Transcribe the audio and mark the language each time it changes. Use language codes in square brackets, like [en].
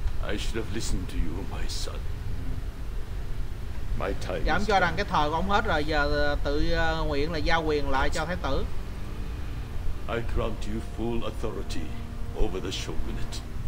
[en] I should have listened to you, my son. My time. [vi] Giảm cho rằng cái thời của ông hết rồi, giờ tự nguyện là giao quyền lại cho thái tử. [en] I grant you full authority over the shogunate.